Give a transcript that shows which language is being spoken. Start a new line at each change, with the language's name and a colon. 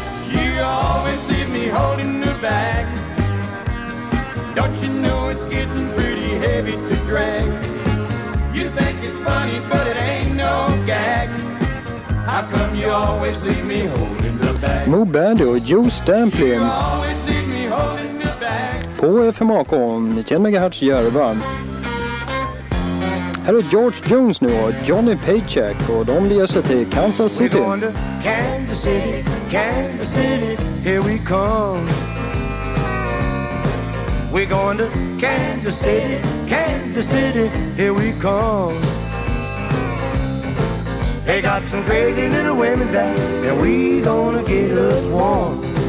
English: You always leave me holding the bag. Don't you know it's getting pretty heavy to drag? You think it's funny, but it ain't no gag. How come you always leave me holding the bag?
Swedish: Moo Bandy och Joe Stampley.
English: You always leave me holding the bag.
Swedish: På FM-akon, 10 MHz Järva. Här är George Jones nu och Johnny Paycheck och de leder sig till Kansas City.
English: We're going to Kansas City, Kansas City, here we come. We're going to Kansas City, Kansas City, here we come. They got some crazy little women down and we gonna get us one.